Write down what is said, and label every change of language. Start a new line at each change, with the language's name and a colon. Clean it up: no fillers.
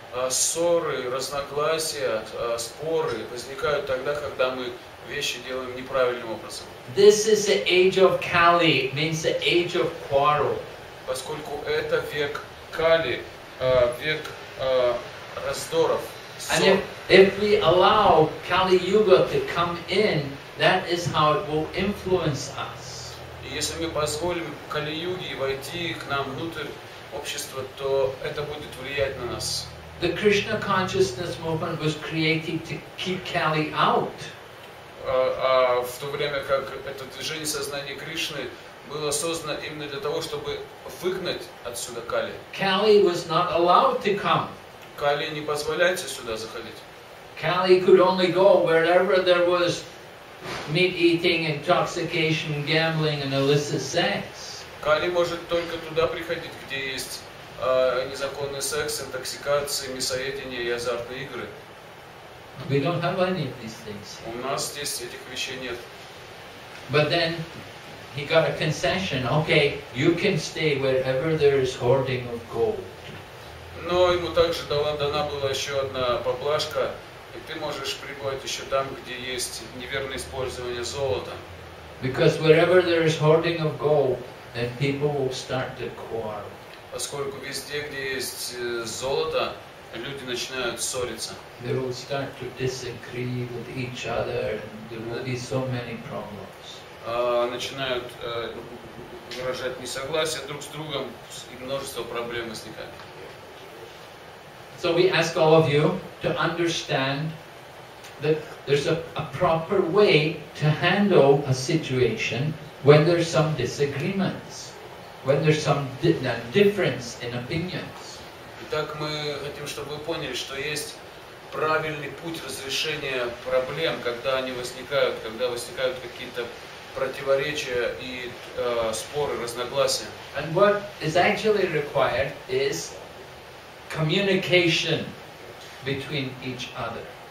Russian: Ссоры, разногласия, споры возникают тогда, когда мы вещи делаем неправильным образом.
English: This is the age of Kali, means the age of quarrel.
Russian: Поскольку это век Кали, век раздоров.
English: And if we allow Kali Yuga to come in, that is how it will influence us.
Russian: И если мы позволим Кали Юге войти к нам внутрь общества, то это будет влиять на нас.
English: The Krishna consciousness movement was created to keep Kali out.
Russian: А в то время как это движение сознания Кришны было создано именно для того, чтобы выгнать отсюда Кали.
English: Kali was not allowed to come.
Russian: Кали не позволяется сюда заходить.
English: Kali could only go wherever there was meat eating, intoxication, gambling and illicit sex.
Russian: Кали может только туда приходить, где есть незаконный секс, интоксикация, мясоедение и азартные игры.
English: We don't have any of these things.
Russian: У нас здесь этих вещей нет.
English: But then he got a concession. Okay, you can stay wherever there is hoarding of gold.
Russian: Но ему также дана была еще одна поблажка, и ты можешь прибывать еще там, где есть неверное использование золота.
English: Because wherever there is hoarding of gold, then people will start to quarrel.
Russian: Поскольку везде, где есть золото, люди начинают ссориться.
English: They will start to disagree with each other, and there will be so many problems.
Russian: Начинают выражать несогласие друг с другом, и множество проблем возникает.
English: So we ask all of you to understand that there's a proper way to handle a situation when there's some disagreements, when there's some difference in opinions.
Russian: Итак, мы хотим, чтобы вы поняли, что есть правильный путь разрешения проблем, когда они возникают, когда возникают какие-то противоречия и споры, разногласия.
English: And what is actually required is communication between each other.